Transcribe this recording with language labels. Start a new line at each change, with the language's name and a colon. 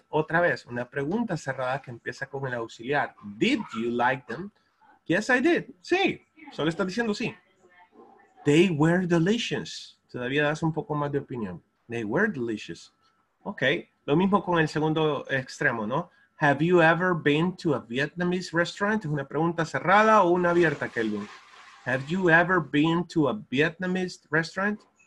Spanish: Otra vez, una pregunta cerrada que empieza con el auxiliar.
English: Did you like them? Yes, I did.
Spanish: Sí, solo está diciendo sí.
English: They were delicious.
Spanish: Todavía das un poco más de opinión.
English: They were delicious.
Spanish: Ok, lo mismo con el segundo extremo, ¿no?
English: Have you ever been to a Vietnamese restaurant?
Spanish: ¿Es una pregunta cerrada o una abierta, Kelvin?
English: Have you ever been to a Vietnamese restaurant?